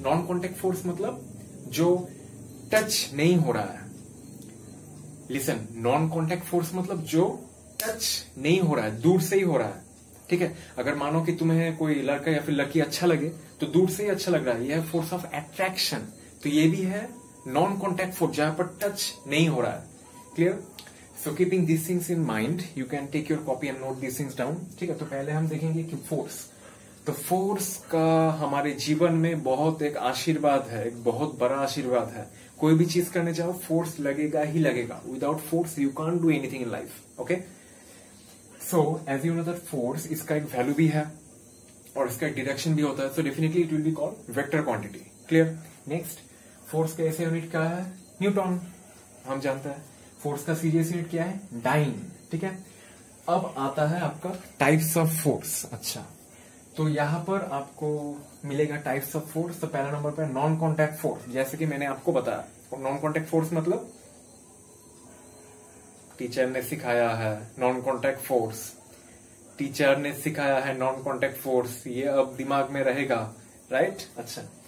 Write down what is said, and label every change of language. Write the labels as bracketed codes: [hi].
[hi] Non contact force मतलब जो touch नहीं हो रहा है, लिसन, नॉन कॉन्टेक्ट फोर्स मतलब जो टच नहीं हो रहा है, दूर से ही हो रहा है, ठीक है। अगर मानो कि तुम्हें कोई लड़का या फिर लड़की अच्छा लगे तो दूर से ही अच्छा लग रहा है, यह है फोर्स ऑफ अट्रैक्शन। तो यह भी है नॉन कॉन्टेक्ट फोर्स, जहां पर टच नहीं हो रहा है, clear. [en] So keeping these things in mind, you can take your copy and note these things down. [hi] ठीक है, तो पहले हम देखेंगे कि force. तो force का हमारे जीवन में बहुत एक आशीर्वाद है, एक बहुत बड़ा आशीर्वाद है। कोई भी चीज करने जाओ force लगेगा ही लगेगा, [en] without force you can't do anything in life. Okay? So as you know that force, [hi] इसका एक value भी है और इसका एक direction भी होता है, [en] so definitely it will be called vector quantity. Clear? [hi] Next, force का ऐसे unit क्या है, Newton, हम जानते हैं। फोर्स का सीरियस यूनिट क्या है, डाइन, ठीक है। अब आता है आपका टाइप्स ऑफ फोर्स। अच्छा, तो यहां पर आपको मिलेगा टाइप्स ऑफ फोर्स। तो पहला नंबर पर नॉन कॉन्टेक्ट फोर्स, जैसे कि मैंने आपको बताया, नॉन कॉन्टेक्ट फोर्स मतलब टीचर ने सिखाया है नॉन कॉन्टेक्ट फोर्स, टीचर ने सिखाया है नॉन कॉन्टेक्ट फोर्स, ये अब दिमाग में रहेगा, राइट। अच्छा,